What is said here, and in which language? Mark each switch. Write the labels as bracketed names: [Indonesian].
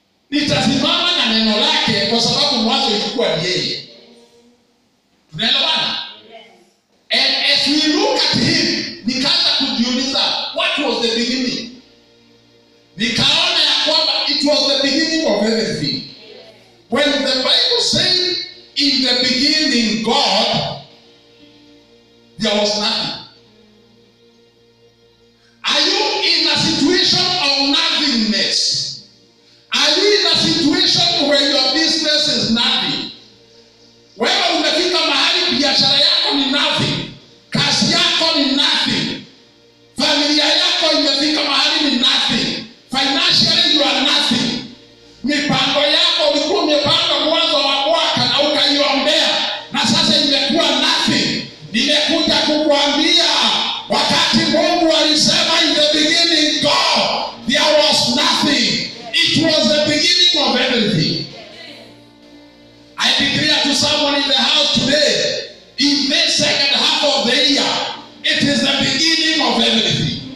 [Swahili] Nitasimama na neno lake kwa sababu mwanzo ilikuwa ni yeye. Tunaelewana? [English] And as we look at him, [Swahili] nikaanza kujiuliza, [English] what was the beginning? [Swahili] Nikaona ya kwamba [English] it was the beginning of everything. When the Bible says, in the beginning God, there was nothing. Are you in a situation of nothingness? Are you in a situation where your business is nothing? [Swahili] Wewe umefika mahali biashara yako ni nothing. Kazi yako ni nothing. Familia yako imefika mahali ni nothing. [English] Financially you are nothing. [Swahili] Mipango yako ulikuwa umepanga mwanzo wa mwaka na ukaiombea. Na sasa imekuwa nothing. Nimekuja kukuambia wakati Mungu alisema [English] in the beginning God, there was nothing. It was the beginning of everything. I declare to someone in the house today, in this second half of the year, it is the beginning of everything.